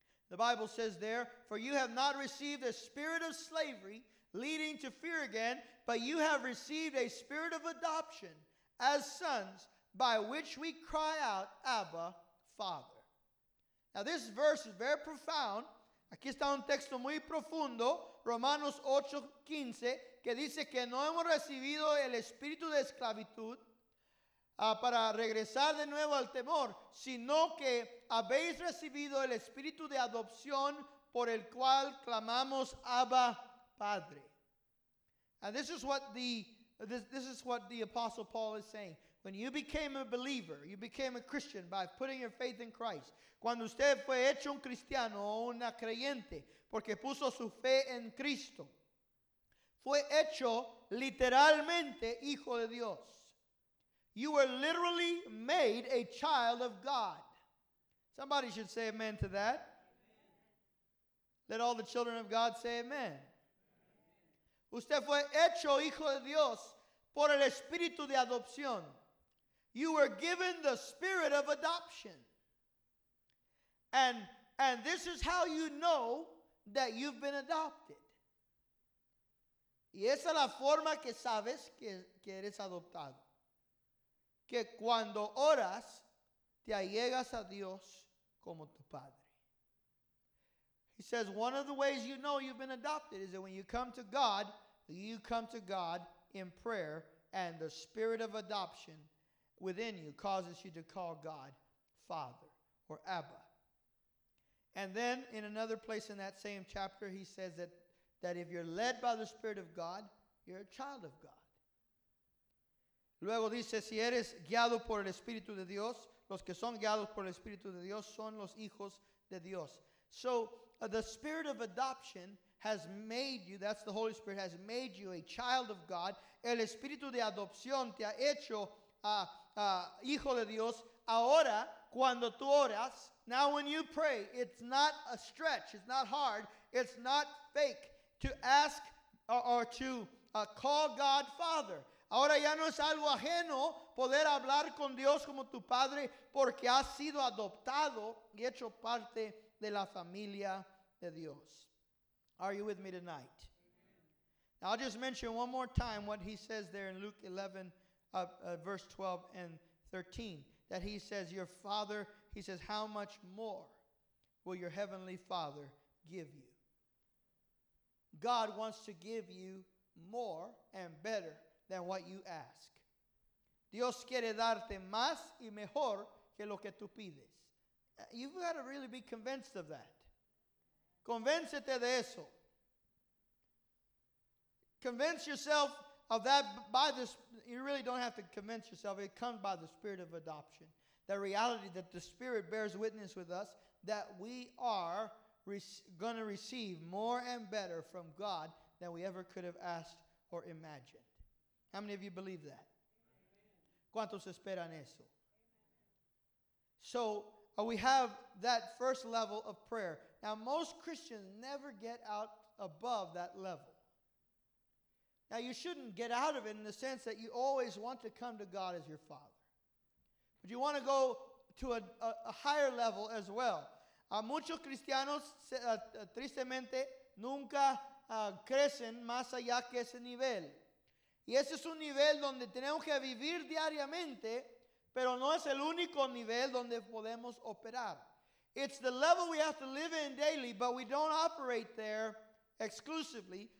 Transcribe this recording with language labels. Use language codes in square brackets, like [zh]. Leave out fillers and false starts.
[en] The Bible says there, for you have not received a spirit of slavery leading to fear again, but you have received a spirit of adoption as sons by which we cry out, Abba, Father. Now this verse is very profound. [es] Aquí está un texto muy profundo, Romanos 8:15, que dice que no hemos recibido el espíritu de esclavitud para regresar de nuevo al temor, sino que habéis recibido el espíritu de adopción por el cual clamamos Abba, Padre. [en] And this is what the Apostle Paul is saying. When you became a believer, you became a Christian by putting your faith in Christ. [es] Cuando usted fue hecho un cristiano o una creyente, porque puso su fe en Cristo, fue hecho literalmente hijo de Dios. [en] You were literally made a child of God. Somebody should say amen to that. Let all the children of God say amen. [es] Usted fue hecho hijo de Dios por el espíritu de adopción. [en] You were given the spirit of adoption. And this is how you know that you've been adopted. [es] Y esa es la forma que sabes que eres adoptado. Que cuando oras, te allegas a Dios como tu padre. [en] He says, one of the ways you know you've been adopted is that when you come to God in prayer, and the spirit of adoption within you causes you to call God Father or Abba. And then in another place in that same chapter, he says that if you're led by the Spirit of God, you're a child of God. [es] Luego dice, si eres guiado por el Espíritu de Dios, los que son guiados por el Espíritu de Dios son los hijos de Dios. [en] So the spirit of adoption has made you, that's the Holy Spirit, has made you a child of God. [es] El Espíritu de adopción te ha hecho hijo de Dios. Ahora, cuando tú oras, [en] now when you pray, it's not a stretch, it's not hard, it's not fake to ask or to call God Father. [es] Ahora ya no es algo ajeno poder hablar con Dios como tu padre porque has sido adoptado y hecho parte de la familia de Dios. [en] Are you with me tonight? Now, I'll just mention one more time what he says there in Luke 11, verse 12 and 13, that he says, your father, he says, how much more will your heavenly father give you? God wants to give you more and better than what you ask. [es] Dios quiere darte más y mejor que lo que tú pides. [en] You've got to really be convinced of that. [es] Convéncete de eso. [en] Convince yourself of that by this. You really don't have to convince yourself. It comes by the spirit of adoption. The reality that the spirit bears witness with us that we are going to receive more and better from God than we ever could have asked or imagined. How many of you believe that? [es] ¿Cuántos esperan eso? [en] So we have that first level of prayer. Now most Christians never get out above that level. Now, you shouldn't get out of it in the sense that you always want to come to God as your Father. But you want to go to a higher level as well. [es] Muchos cristianos, tristemente, nunca crecen más allá que ese nivel. Y ese es un nivel donde tenemos que vivir diariamente, pero no es el único nivel donde podemos operar. [en] It's the level we have to live in daily, but we don't operate there exclusively.